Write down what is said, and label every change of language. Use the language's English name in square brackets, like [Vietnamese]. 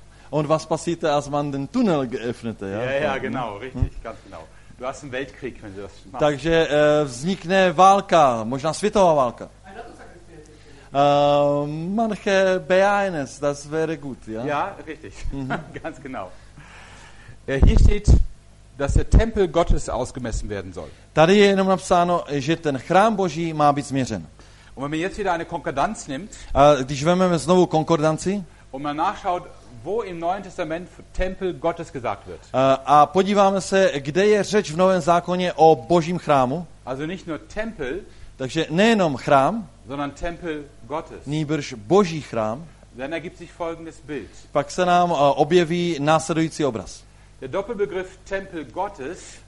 [German] Und was passiert, als man den Tunnel geöffnete? Ja, ja, genau, richtig, ganz genau. Du hast einen Weltkrieg, wenn du das machst. [Czech] Takže vznikne válka, možná světová válka. [German] Manche Beines, das wäre gut, ja? Ja, richtig, ganz genau. Hier steht, dass der Tempel Gottes ausgemessen werden soll. [Czech] Tady je jenom napsáno, že ten chrám Boží má být změřen. [German] Und wenn man jetzt wieder eine Konkordanz nimmt, [Czech] když vezmeme znovu konkordanci, [German] und man nachschaut, wo im Neuen Testament Tempel Gottes gesagt wird. [Czech] A podíváme se, kde je řeč v Novém zákoně o Božím chrámu. [German] Also nicht nur Tempel, [Czech] takže nejenom chrám, [German] sondern Tempel Gottes. [Czech] Nýbrž Boží chrám. [German] Dann ergibt sich folgendes Bild. [Czech] Pak se nám objeví následující obraz. [German] Der Doppelbegriff Tempel Gottes,